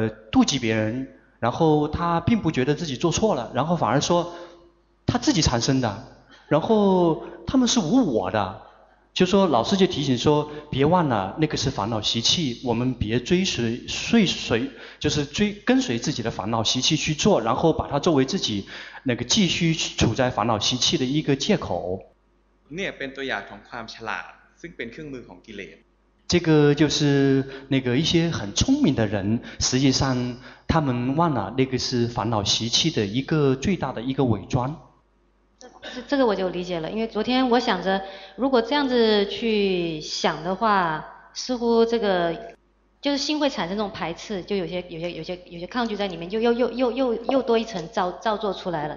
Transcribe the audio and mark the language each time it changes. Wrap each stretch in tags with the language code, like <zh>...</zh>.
<zh>妒忌别人，然后他并不觉得自己做错了，然后反而说他自己产生的，然后他们是无我的，就说老师就提醒说，别忘了那个是烦恼习气，我们别跟随自己的烦恼习气去做，然后把它作为自己那个继续处在烦恼习气的一个借口。</zh> <th>เนี่ยเป็นตัวอย่างของความฉลาดซึ่งเป็นเครื่องมือของกิเลส。</th> <zh>这个就是那个一些很聪明的人，实际上他们忘了那个是烦恼习气的一个最大的一个伪装。这个我就理解了，因为昨天我想着如果这样子去想的话，似乎这个就是心会产生这种排斥，就有些抗拒在里面，就又多一层造作出来了。</zh>